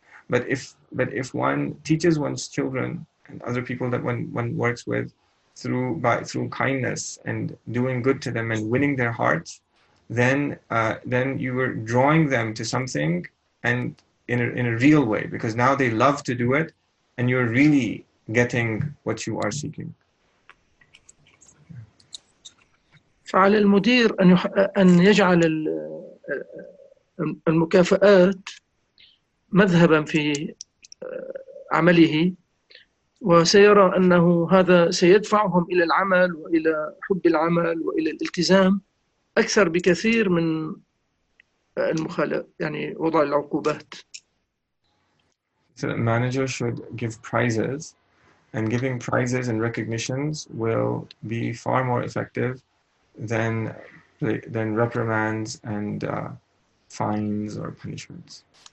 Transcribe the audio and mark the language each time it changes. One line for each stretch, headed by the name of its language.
English: But if one teaches one's children and other people that one works with through kindness and doing good to them and winning their hearts, then you are drawing them to something, and in a real way, because now they love to do it, and you're really getting what you are seeking.
Arabic: فعلى المدير أن يجعل المكافآت مذهبا في عمله، وسيرى أنه هذا سيدفعهم إلى العمل وإلى حب العمل وإلى الالتزام أكثر بكثير من يعني وضع العقوبات.
English: So the manager should give prizes, and giving prizes and recognitions will be far more effective than reprimands and fines or punishments.